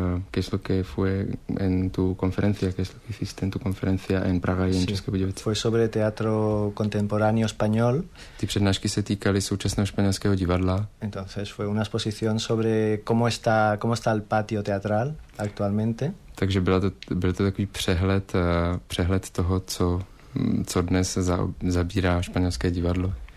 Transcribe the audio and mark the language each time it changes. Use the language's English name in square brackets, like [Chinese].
[Spanish] ¿Qué es lo que fue en tu conferencia? ¿Qué es lo que hiciste en tu conferencia en Praga y en Českých Budějovicích? Fue sobre teatro contemporáneo español. [Czech] Ty přednášky se týkaly současného španělského divadla. [Spanish] Entonces fue una exposición sobre cómo está el patio teatral actualmente. [Czech] Takže byl to takový přehled toho, co dnes zabírá španělské divadlo.